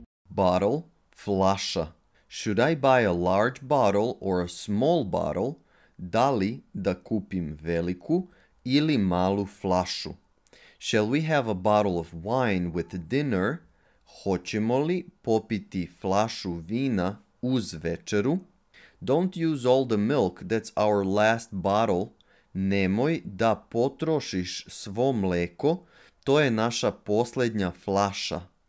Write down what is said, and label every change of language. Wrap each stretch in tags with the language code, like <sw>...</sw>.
<en>Bottle, flaša. Should I buy a large bottle or a small bottle?</en> <sr>Da li da kupim veliku ili malu flašu?</sr> <en>Shall we have a bottle of wine with dinner?</en> <sr>Hoćemo li popiti flašu vina uz večeru?</sr> <en>Don't use all the milk, that's our last bottle.</en> <sr>Nemoj da potrošiš svo mleko, to je naša posljednja flaša.</sr>